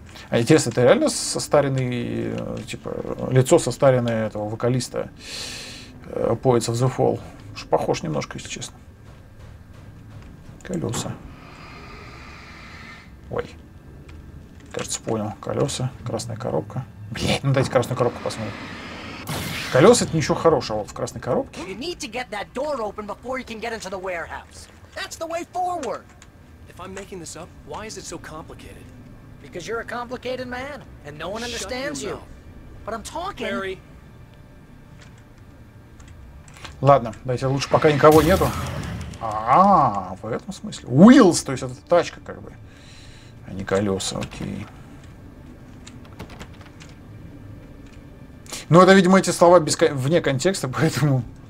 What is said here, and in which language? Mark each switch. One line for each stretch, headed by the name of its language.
Russian: Интересно, это реально состаренный, типа, лицо состаренное этого вокалиста Poets of the Fall? Уж похож немножко, если честно. Колеса. Ой. Кажется, понял. Колеса, красная коробка. Блин, ну дайте красную коробку посмотрим. Колеса — это ничего хорошего, вот в красной коробке.
English: You need to get that door open before you can get into the warehouse. That's the way forward. If I'm making this up, why is it so complicated? Because you're a complicated man, and no one understands you. But I'm talking. Barry.
Russian: Ладно, дайте лучше, пока никого нету. В этом смысле. Wheels, то есть это тачка, как бы. А не колеса, окей. Ну, это, видимо, эти слова без вне контекста, поэтому.